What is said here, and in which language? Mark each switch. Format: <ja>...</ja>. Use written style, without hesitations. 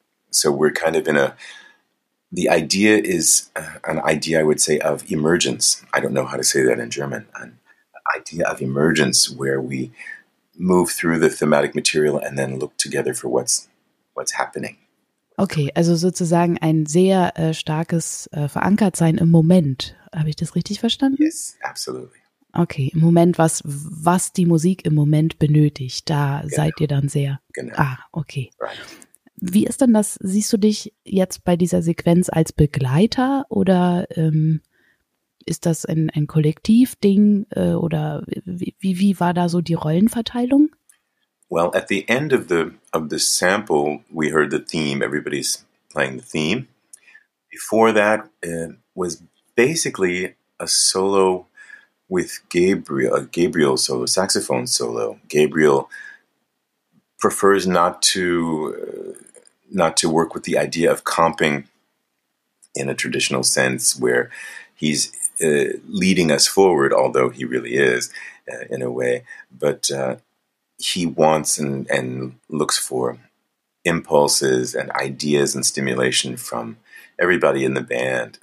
<en>So we're kind of the idea is an idea, I would say, of emergence. I don't know how to say that in German. An idea of emergence, where we move through the thematic material and then look together for what's happening.</en> <de>Okay, also sozusagen ein sehr starkes Verankertsein im Moment. Habe ich das richtig verstanden?</de> <en>Yes, absolutely.</en> <de>Okay, im Moment, was die Musik im Moment benötigt, da genau. Seid ihr dann sehr. Genau. Ah, okay.</de> <en>Right.</en> <de>Wie ist denn das? Siehst du dich jetzt bei dieser Sequenz als Begleiter oder ist das ein Kollektivding oder wie war da so die Rollenverteilung?</de> <en>Well, at the end of the sample, we heard the theme. Everybody's playing the theme. Before that, was basically a solo with Gabriel solo, saxophone solo. Gabriel prefers not to work with the idea of comping in a traditional sense, where he's leading us forward, although he really is in a way, but he wants and looks for impulses and ideas and stimulation from everybody in the band.</en>